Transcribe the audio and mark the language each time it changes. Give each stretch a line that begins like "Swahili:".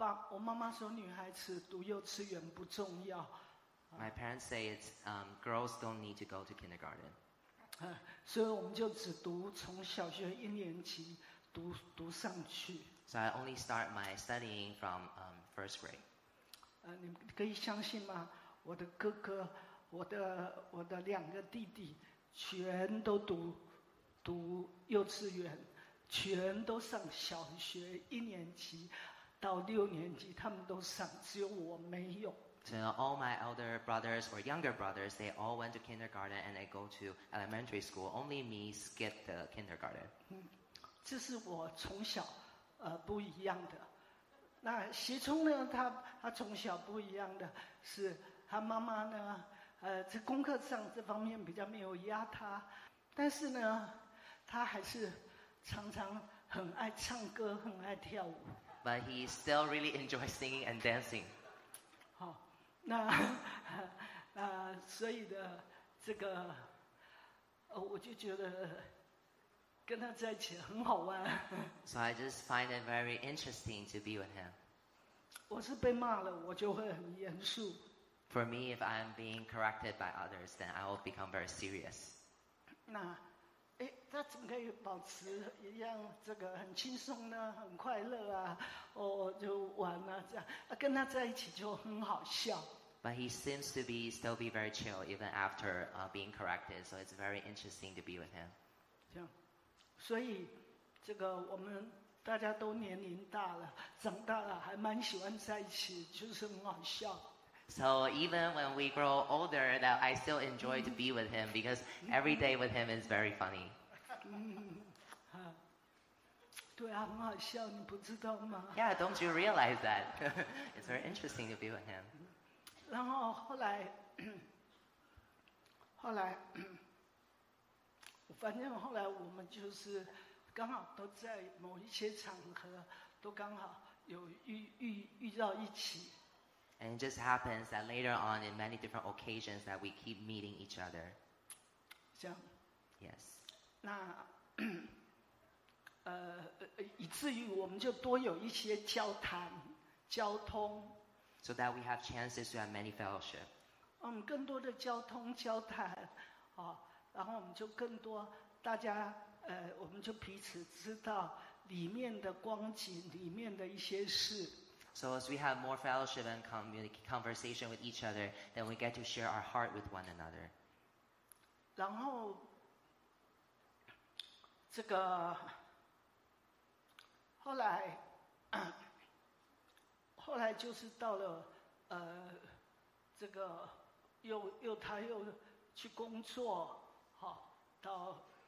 Chinese: 我妈妈说女孩子读幼稚园不重要。
English: My parents say it's girls don't need to go to kindergarten.
Chinese: 所以我们就只读从小学一年级读上去。
English: So I only start my studying from first grade.
Chinese: 你可以相信吗？我的哥哥，我的两个弟弟，全都读幼稚园，全都上小学一年级到六年级，他们都上，只有我没有。
English: So all my elder brothers or younger brothers, they all went to kindergarten and they go to elementary school. Only me skipped the kindergarten.
Chinese: 这是我从小不一样的。那习聪呢，他从小不一样的是他妈妈呢，在功课上这方面比较没有压他，但是呢，他还是常常很爱唱歌，很爱跳舞。
English: But he still really enjoys singing and dancing.
Chinese: 好。那所以的这个我就觉得跟他在一起很好玩。
English: So I just find it very interesting to be with him.
Chinese: 我是被骂了我就会很严肃。
English: For me, if I'm being corrected by others, then I will become very serious.
Chinese: 那他怎么可以保持一样这个很轻松呢很快乐啊哦就玩啊这样啊跟他在一起就很好笑。
English: But he seems to be still be very chill even after being corrected, so it's very interesting to be with him.
Chinese: 这样所以这个我们大家都年龄大了长大了还蛮喜欢在一起就是很好笑。
English: So even when we grow older, that I still enjoy to be with him because every day with him is very funny.
Chinese: 对啊，很好笑，你不知道吗？
English: Yeah, don't you realize that? It's very interesting to be with him.
Chinese: 然后后来，我发现后来我们就是刚好都在某一些场合都刚好有遇到一起。
English: And it just happens that later on, in many different occasions, that we keep meeting each other.
Chinese: 这样。
English: Yes.
Chinese: 那以至于我们就多有一些交谈、交通。
English: So that we have chances to have many fellowship.
Chinese: 更多的交通、交谈，然后我们就更多大家，我们就彼此知道里面的光景、里面的一些事。
English: So as we have more fellowship and conversation with each other, then we get to share our heart with one another.
Chinese: 然后这个后来就是到了这个又他又去工作，好到